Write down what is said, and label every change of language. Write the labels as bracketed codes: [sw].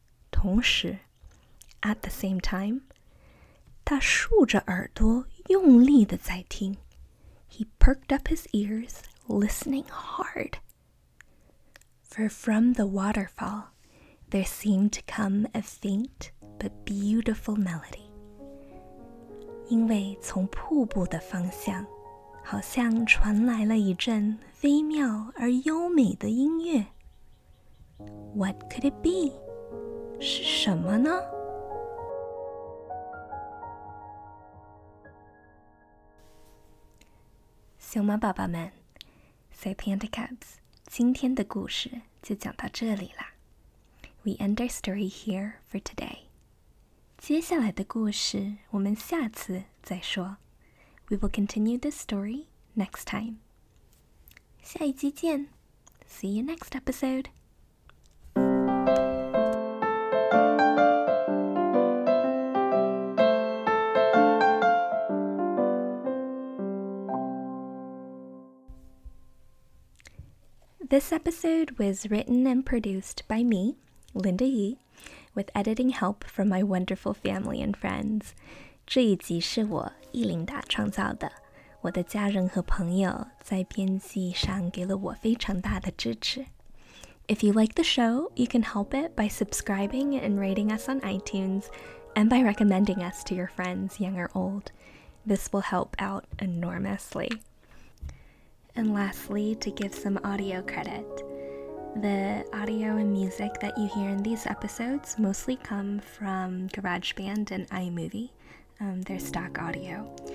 [zh] 同时 [en] at the same time, [zh] 他竖着耳朵用力地在听。 [en] He perked up his ears, listening hard. For from the waterfall,There seemed to come a faint but beautiful melody. [zh] 因为从瀑布的方向，好像传来了一阵微妙而优美的音乐。 [en] What could it be? [zh] 是什么呢？熊猫宝宝们 ， [en] Say Panda Cubs， [zh] 今天的故事就讲到这里啦。 [en] We end our story here for today. [zh] 接下来的故事我们下次再说。 [en] We will continue this story next time. [zh] 下一集见 [en] ，See you next episode. This episode was written and produced by me, Linda Yi, with editing help from my wonderful family and friends. [zh] 这一集是我伊琳达创造的，我的家人和朋友在编辑上给了我非常大的支持。 [en] If you like the show, you can help it by subscribing and rating us on iTunes, and by recommending us to your friends, young or old. This will help out enormously. And lastly, to give some audio credit. The audio and music that you hear in these episodes mostly come from GarageBand and iMovie, their stock audio.